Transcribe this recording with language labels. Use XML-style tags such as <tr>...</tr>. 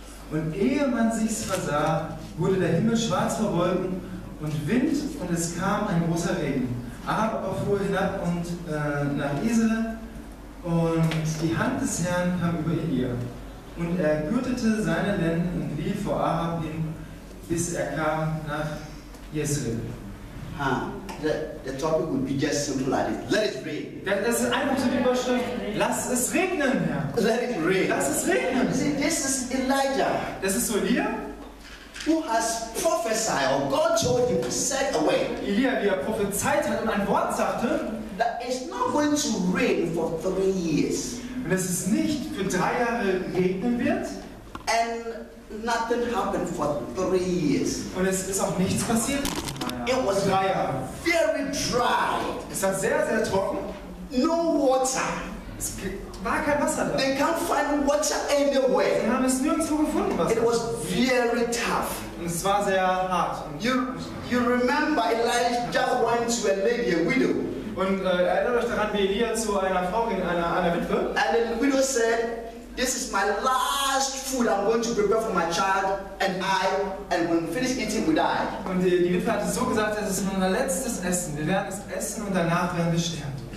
<de>Und ehe man sich's versah, wurde der Himmel schwarz vor Wolken und Wind, und es kam ein großer Regen. Ahab aber fuhr hinab und nach Isele, und die Hand des Herrn kam über Elia. Und er gürtete seine Lenden und lief vor Ahab hin, bis er kam nach Jezreel.</de> <en>Ha, the topic would be just simple like this. Let it rain.</en> <de>Das ist einfach so die Überschrift. Lass es regnen, Herr.</de> <en>Let it rain.</en> <de>Lass es regnen.</de> <en>See, this is Elijah.</en> <de>Das ist so Elia.</de> <en>Who has prophesied or God told him to set away.</en> <de>Elia, wie er prophezeit hat und ein Wort sagte.</de> <en>That it's not going to rain for 3 years.</en> <de>Und dass es nicht für 3 Jahre regnen wird.</de> <en>And nothing happened for 3 years.</en> <de>Und es ist auch nichts passiert.</de> <en>It was dry. Very dry.</en> <de>Es war sehr, sehr trocken.</de> <en>No water.</en> <de>Es war kein Wasser da.</de> <en>They can't find water anywhere.</en> <de>Sie haben es nirgendwo gefunden, Wasser.</de> <en>It was very tough.</en> <de>Und es war sehr hart.</de> <en>You remember Elijah went to a lady, a widow.</en> <de>Und erinnert euch daran, wie Elia zu einer Frau ging, einer Witwe.</de> <en>And the widow said, this is my last food I'm going to prepare for my child and I, and when we finish eating, we die.</en> <de>Und die Witwe hat es so gesagt, das ist unser letztes Essen. Wir werden es essen und danach werden wir sterben.</de>